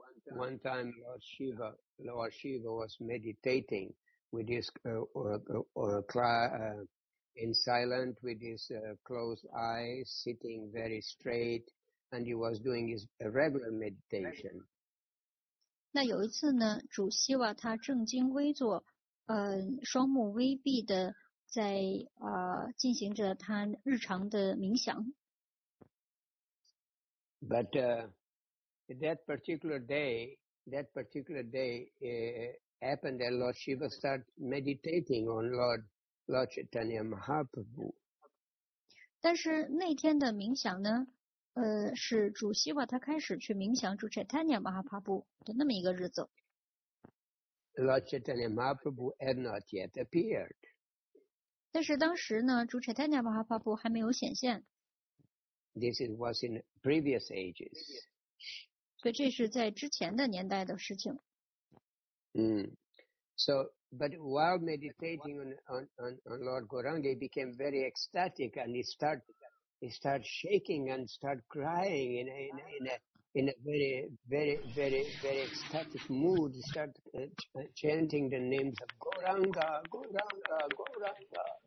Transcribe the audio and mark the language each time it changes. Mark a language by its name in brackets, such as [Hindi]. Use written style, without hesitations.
[English] One time Lord Shiva was meditating with his in silent with his closed eyes, sitting very straight, and he was doing his regular meditation. [Chinese] 那有一次呢，主希瓦他正襟危坐，双目微闭的在进行着他日常的冥想。 [English] But that particular day happened that Lord Shiva started meditating on Lord Chaitanya Mahaprabhu. [Chinese] 但是那天的冥想呢，是主希瓦他开始去冥想主 Chaitanya Mahaprabhu 的那么一个日子。 [English] Lord Chaitanya Mahaprabhu had not yet appeared. [Chinese] 但是当时呢，主 Chaitanya Mahaprabhu 还没有显现。 [English] This was in previous ages. [Chinese] 所以这是在之前的年代的事情。 [English] So, but while meditating on Lord Gauranga, he became very ecstatic and he started shaking and started crying in a very, very, very, very ecstatic mood. He started chanting the names of Gauranga, Gauranga, Gauranga.